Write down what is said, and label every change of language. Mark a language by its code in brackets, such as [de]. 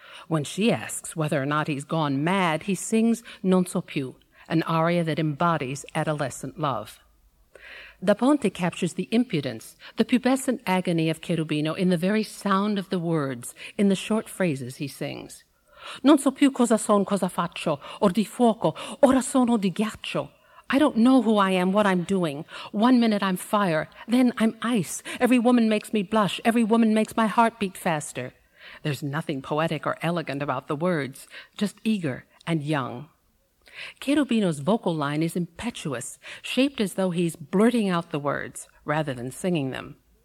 [en] When she asks whether or not he's gone mad, he sings Non so più, an aria that embodies adolescent love. Da Ponte captures the impudence, the pubescent agony of Cherubino in the very sound of the words, in the short phrases he sings. [it] Non so più cosa son, cosa faccio, or di fuoco, ora sono di ghiaccio. [en] I don't know who I am, what I'm doing. One minute I'm fire, then I'm ice. Every woman makes me blush, every woman makes my heart beat faster. There's nothing poetic or elegant about the words, just eager and young. Cherubino's vocal line is impetuous, shaped as though he's blurting out the words rather than singing them.